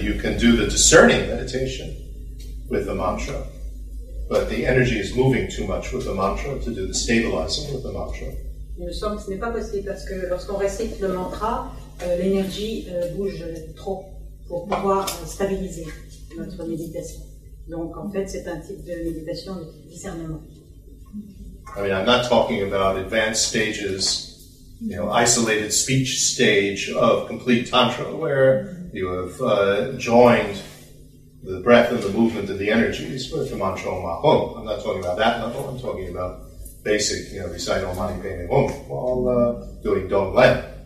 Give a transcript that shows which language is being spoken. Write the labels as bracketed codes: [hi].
[en] You can do the discerning meditation with the mantra, but the energy is moving too much with the mantra to do the stabilizing with the mantra. [fr] Il me semble que ce n'est pas possible parce que lorsqu'on récite le mantra, l'énergie bouge trop pour pouvoir stabiliser notre méditation. Donc en fait, c'est un type de méditation de discernement. [en] I mean, I'm not talking about advanced stages isolated speech stage of complete tantra, where you have joined the breath and the movement of the energies with the mantra Om Mah Hum. I'm not talking about that level. I'm talking about basic, recite Om Mani Padme Hum while doing Dong Len.